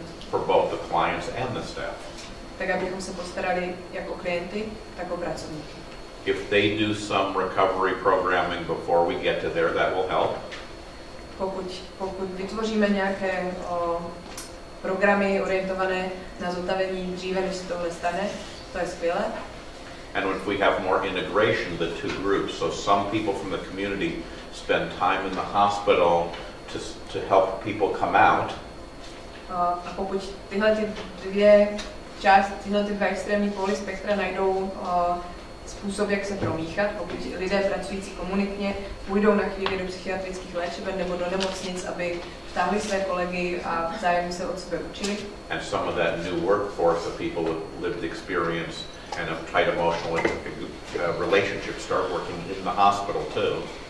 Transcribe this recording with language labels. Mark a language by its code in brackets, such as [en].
[en] For both the clients and the staff. [cs] Tak abychom se postarali jak o klienty, tak o pracovníky. [en] If they do some recovery programming before we get to there, that will help. [cs] Pokud vytvoříme nějaké programy orientované na zotavení dříve, než se tohle stane, to je skvělé. [en] And if we have more integration, the two groups, so some people from the community spend time in the hospital to help people come out. [cs] A pokud tyhle ty dvě část, tyhle ty dva extrémní poly spektra najdou způsob, jak se promíchat, pokud lidé pracující komunitně půjdou na chvíli do psychiatrických léčeben nebo do nemocnic, aby vtáhli své kolegy a vzájemně se od sebe učili. [en] And some of that new workforce of people with lived experience and a tight emotional relationship start working in the hospital too.